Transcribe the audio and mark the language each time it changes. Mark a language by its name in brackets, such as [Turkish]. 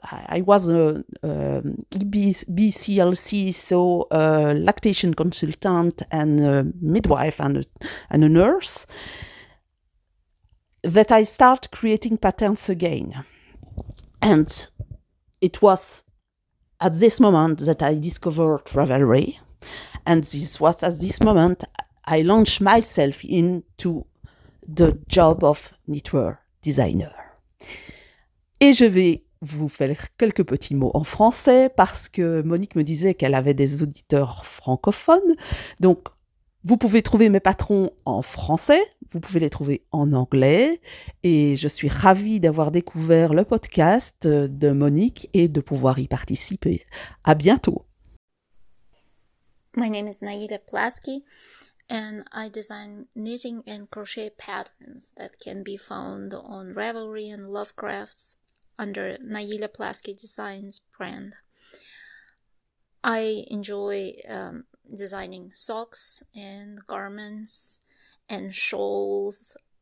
[English] I was a BCLC, so a lactation consultant and a midwife and a nurse, that I start creating patterns again. And it was at this moment that I discovered Ravelry. And this was at this moment I launched myself into the job of knitwear designer. [French] Et je vais vous faire quelques petits mots en français parce que Monique me disait qu'elle avait des auditeurs francophones. Donc, vous pouvez trouver mes patrons en français, vous pouvez les trouver en anglais. Et je suis ravie d'avoir découvert le podcast de Monique et de pouvoir y participer. À bientôt. [English] My name is Naida Plasky, and I design knitting and crochet patterns that can be found on Ravelry and Lovecrafts under Naila Plasky Designs brand. I enjoy designing socks and garments and shawls.